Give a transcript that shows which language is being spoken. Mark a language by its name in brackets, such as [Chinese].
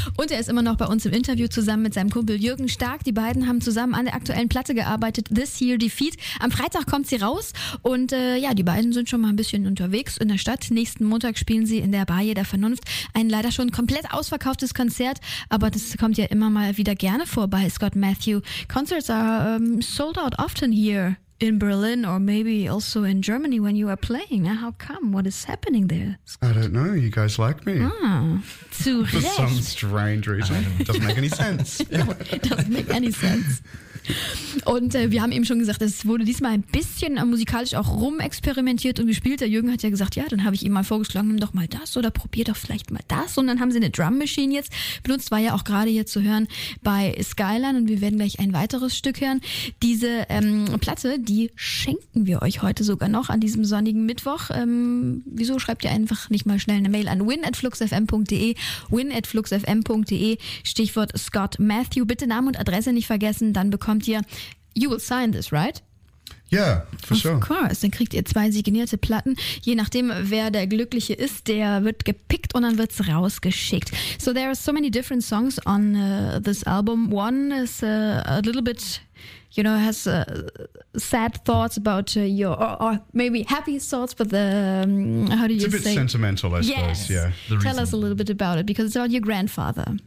[German] Und er ist immer noch bei uns im Interview zusammen mit seinem Kumpel Jürgen Stark. Die beiden haben zusammen an der aktuellen Platte gearbeitet, This Here Defeat. Am Freitag kommt sie raus. Und ja, die beiden sind schon mal ein bisschen unterwegs in der Stadt. Nächsten Montag spielen sie in der Bar Jeder Vernunft. Ein leider schon komplett ausverkauftes Konzert. Aber das kommt ja immer mal wieder gerne vor bei Scott Matthew. [English] Concerts are sold out often here. In Berlin or maybe also in Germany when you are playing. Now, how come? What is happening there? I don't know. You guys like me. [German] Zu recht. [English] For some strange reason. Doesn't make any sense. Doesn't make any sense. [German] Und wir haben eben schon gesagt, es wurde diesmal ein bisschen musikalisch auch rumexperimentiert und gespielt. Der Jürgen hat ja gesagt, ja, dann habe ich ihm mal vorgeschlagen, nimm doch mal das oder probier doch vielleicht mal das. Und dann haben sie eine Drum Machine jetzt benutzt, war ja auch gerade hier zu hören bei Skyline und wir werden gleich ein weiteres Stück hören. Diese Platte, die schenken wir euch heute sogar noch an diesem sonnigen Mittwoch. Wieso schreibt ihr einfach nicht mal schnell eine Mail an win@fluxfm.de, win@fluxfm.de, Stichwort Scott Matthew. Bitte Name und Adresse nicht vergessen, dann bekommt ihr, [English] you will sign this, right? Yeah, for sure. Of course, [German] dann kriegt ihr 2 signierte Platten. Je nachdem, wer der Glückliche ist, der wird gepickt und dann wird's rausgeschickt. [English] So there are so many different songs on this album. One is a little bit, you know, has sad thoughts about your, or maybe happy thoughts, but the, how do you say? It's a bit sentimental, I suppose, yeah. Tell us a little bit about it, because it's about your grandfather.